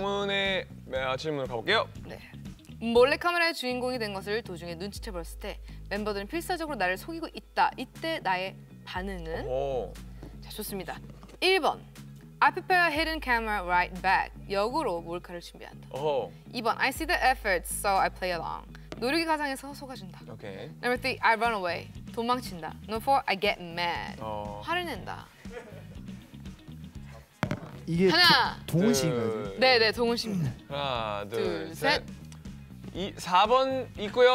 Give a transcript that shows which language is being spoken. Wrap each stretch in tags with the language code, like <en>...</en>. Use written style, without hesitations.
<ko>동훈의 질문으로 가볼게요. 네. 몰래 카메라의 주인공이 된 것을 도중에 눈치채 버렸을 때 멤버들은 필사적으로 나를 속이고 있다. 이때 나의 반응은? 오.</ko> <en>자, 좋습니다. 1번, I prepare a hidden camera right back.</en> <ko>역으로 몰카를 준비한다. 오.</ko> <en>2번, I see the effort, so I play along.</en> <ko>노력이 가장해서 속아준다.</ko> <en>Okay. Number 3, I run away. 도망친다. Number 4, I get mad.</en> <ko>오. 화를 낸다. 이게 하나, 동훈 씨인가요? 네, 동훈 씨입니다. 하나, 둘, 셋. 이, 4번 있고요.</ko>